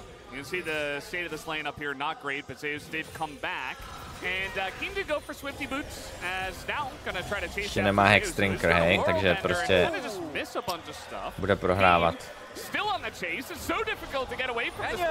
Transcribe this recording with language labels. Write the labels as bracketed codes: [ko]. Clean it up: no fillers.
[en] You can see the state of this lane up here, not great, but Zeus did come back. And Keen did go for Swifty Boots, as now gonna try to chase him. [cs] Hexdrinker, hey, takže prostě bude prohrávat. [en] Still on the chase, it's so difficult to get away from this.